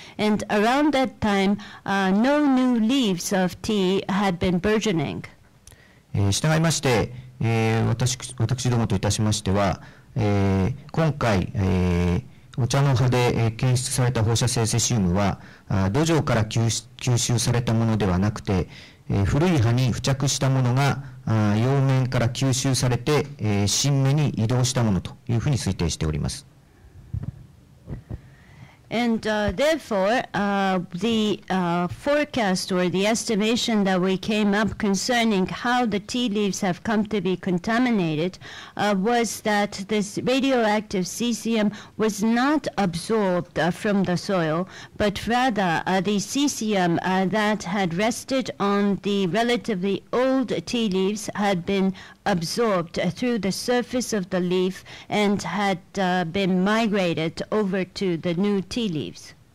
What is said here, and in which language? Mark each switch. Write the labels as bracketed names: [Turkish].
[English] And around that time, no new leaves of tea had been burgeoning. [Japanese] 従いまして、私どもといたしましては、今回、お茶の葉で検出された放射性セシウムは土壌から吸収されたものではなくて、古い葉に付着したものが葉面から吸収されて新芽に移動したものというふうに推定しております。 [English] And therefore, the forecast or the estimation that we came up concerning how the tea leaves have come to be contaminated was that this radioactive cesium was not absorbed from the soil, but rather the cesium that had rested on the relatively old tea leaves had been absorbed through the surface of the leaf and had been migrated over to the new tea leaves.